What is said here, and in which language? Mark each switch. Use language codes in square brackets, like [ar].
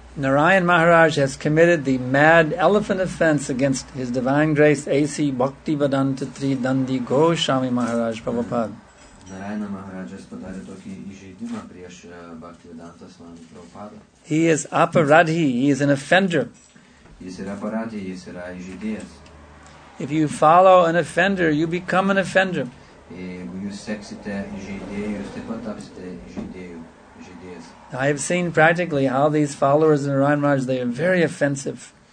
[en] Narayan Maharaj has committed the mad elephant offense against His Divine Grace A.C. Bhaktivedanta Tridandi Goswami Maharaj Prabhupada. [lt] Narayana Maharajas padarė tokį įžeidimą prieš Bhaktivedanta Swami Prabhupada. [en] He is aparadhi, he is an offender. [lt] Jis yra aparadhi, jis yra įžeidėjas. [en] If you follow an offender, you become an offender. [lt] Jeigu jūs seksite įžeidėjų, jūs taip pat tapsite įžeidėjų. [en] I have seen practically how these followers in Narayan Maharaj, they are very offensive.